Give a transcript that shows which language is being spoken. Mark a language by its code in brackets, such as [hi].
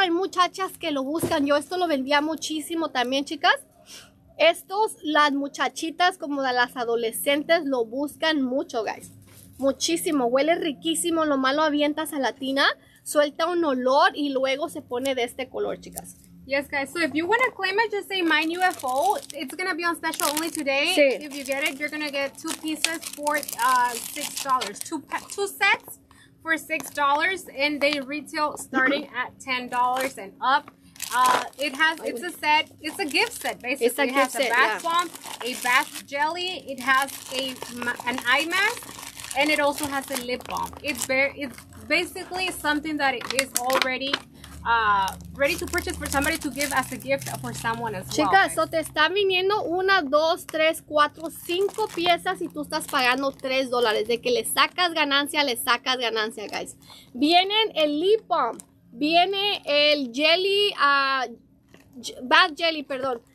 [es] Hay muchachas que lo buscan. Yo esto lo vendía muchísimo también, chicas. Estos, las muchachitas como de las adolescentes lo buscan mucho, guys. Muchísimo. Huele riquísimo. Lo malo avientas a la tina. Suelta un olor y luego se pone de este color, chicas. [en] Yes, guys. So if you want to claim it, just say mine UFO. It's going to be on special only today. [es] Sí. [en] If you get it, you're going to get two pieces for $6. Two sets for $6. And they retail starting at $10 and up. It's a set, it's a gift set basically. It's a gift set, it has a bath set, bomb, yeah. A bath jelly, it has an eye mask, and it also has a lip balm. It's basically something that is already ready to purchase for somebody to give as a gift for someone as [es] Chicas, [en] well. [es] Chicas, so te está viniendo una, dos, tres, cuatro, cinco piezas y tú estás pagando $3. De que le sacas ganancia, guys. Vienen el lip balm. Viene el jelly, bath jelly, perdón.